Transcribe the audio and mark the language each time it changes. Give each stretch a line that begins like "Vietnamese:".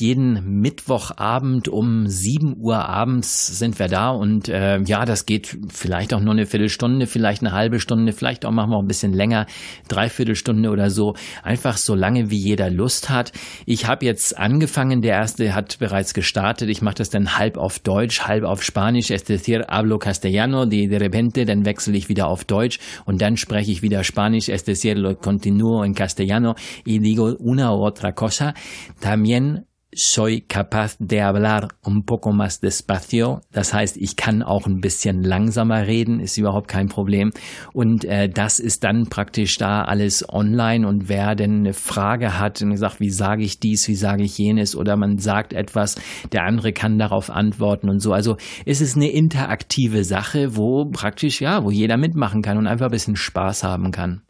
German: Jeden Mittwochabend um 7 Uhr abends sind wir da und das geht vielleicht auch nur eine Viertelstunde, vielleicht eine halbe Stunde, vielleicht auch machen wir ein bisschen länger, Dreiviertelstunde oder so. Einfach so lange, wie jeder Lust hat. Ich habe jetzt angefangen, der erste hat bereits gestartet. Ich mache das dann halb auf Deutsch, halb auf Spanisch.
Spanish: Es decir, hablo castellano, de repente,
German: dann wechsle ich wieder auf Deutsch und dann spreche ich wieder Spanisch.
Spanish: Es decir, lo continuo en castellano. Y digo una u otra cosa, también soy capaz de hablar un poco más despacio.
German: Das heißt, ich kann auch ein bisschen langsamer reden, ist überhaupt kein Problem. Und das ist dann praktisch da alles online. Und wer denn eine Frage hat und sagt, wie sage ich dies, wie sage ich jenes, oder man sagt etwas, der andere kann darauf antworten und so. Also es ist eine interaktive Sache, wo praktisch, ja, wo jeder mitmachen kann und einfach ein bisschen Spaß haben kann.